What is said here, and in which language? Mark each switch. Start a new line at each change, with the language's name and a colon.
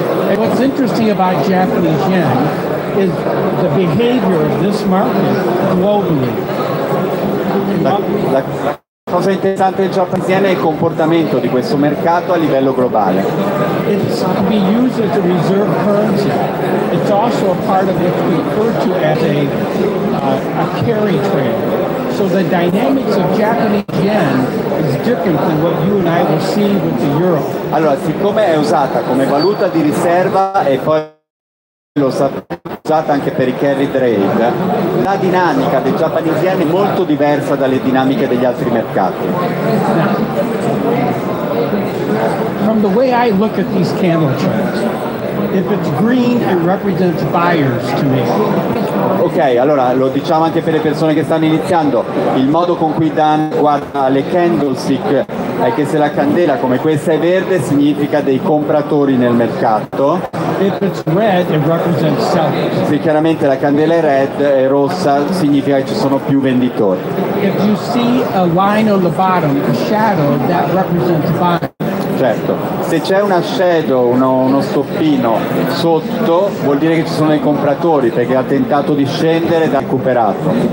English: And what's interesting about Japanese yen is the behavior of this market globally.
Italian: La cosa interessante del Japanese yen è il comportamento di questo mercato a livello globale.
English: It's to be used as a reserve currency. It's also a part of what we refer to as a carry trade. So the dynamics of Japanese yen is different than what you and I will see with the euro.
Italian: Allora, siccome è usata come valuta di riserva e poi lo sapete, usata anche per i carry trade, la dinamica del Japanese yen è molto diversa dalle dinamiche degli altri mercati.
English: From the way I look at these candle charts, if it's green, it represents buyers to me.
Italian: Ok, allora lo diciamo anche per le persone che stanno iniziando, il modo con cui Dan guarda le candlestick è che se la candela come questa è verde significa dei compratori nel mercato.
English: If it's red, it represents sellers.
Italian: Se chiaramente la candela è red e rossa significa che ci sono più venditori.
English: If you see a line on the bottom, a shadow, that represents buying.
Italian: Certo, se c'è una shadow, uno stoppino sotto, vuol dire che ci sono i compratori, perché ha tentato di scendere ed ha recuperato.